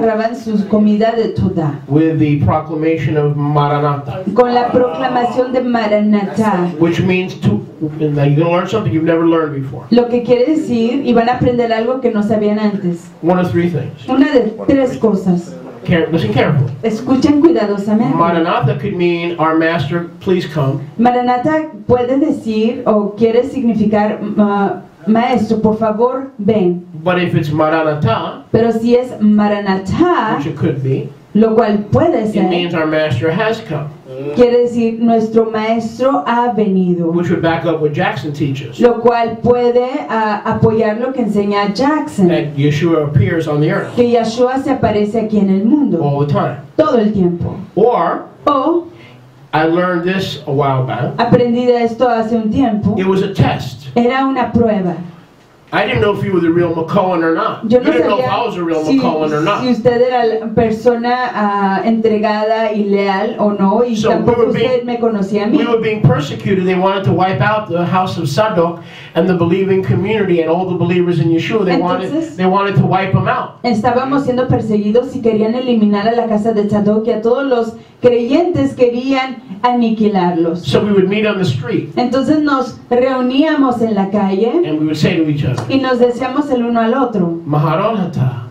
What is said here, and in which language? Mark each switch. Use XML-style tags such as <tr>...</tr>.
<en>Let me say this. So they closed their</en> <he>todah</he> <en>with the proclamation of Maranatha.</en> <es>Con la proclamación de Maranatha.</es> <en>Which means to. And you're going to learn something you've never learned before.</en> <es>Lo que quiere decir, y van a aprender algo que no sabían antes.</es> <en>One of three things.</en> <es>Una de tres cosas.</es> <en>Listen carefully.</en> <es>Escuchen cuidadosamente.</es> <en>Maranatha could mean our master, please come.</en> <es>Maranatha puede decir o quiere significar maestro, por favor, ven.</es> <en>But if it's Maranatha,</en> <es>pero si es Maranatha,</es> <en>which it could be,</en> <es>lo cual puede ser,</es> <en>it means our master has come.</en> <es>Quiere decir, nuestro maestro ha venido.</es> <en>Which would back up what Jackson teaches.</en> <es>Lo cual puede apoyar lo que enseña Jackson.</es> <en>That Yeshua appears on the earth.</en> <es>Que Yeshua se aparece aquí en el mundo.</es> <en>All the time.</en> <es>Todo el tiempo.</es> <en>Or, oh, I learned this a while back.</en> <es>Aprendí de esto hace un tiempo.</es> <en>It was a test.</en> <es>Era una prueba.</es> <en>I didn't know if you were the real McCullen or not.</en> <es>Yo no</es> <en>you didn't know if I was a real McCullen or not.</en> <es>Si usted era la persona entregada y leal o no, y</es> <en>so</en> <es>tampoco</es> <en>we</en> <es>usted me conocía a mí.</es> <en>We were being persecuted. They wanted to wipe out the house of Sadok and the believing community and all the believers in Yeshua. They wanted to wipe them out.</en> <es>Estábamos siendo perseguidos y querían eliminar a la casa de Sadok y a todos los creyentes querían aniquilarlos.</es> <en>So we would meet on the street.</en> <es>Entonces nos reuníamos en la calle.</es> <en>And we would say to each other.</en> <es>Y nos decíamos el uno al otro.</es> <arc>Maharon ata.</arc>